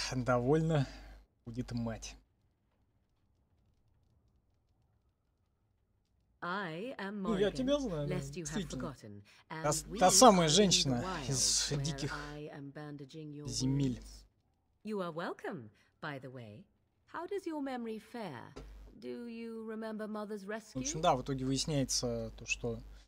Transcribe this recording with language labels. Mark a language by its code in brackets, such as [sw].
[ru] Довольно будет мать. Ну, я тебя знаю, действительно. Та самая женщина из диких земель. [en] You are welcome, by the way. How does your memory fare? Do you remember mother's rescue? [ru] В общем, да, в итоге выясняется то, что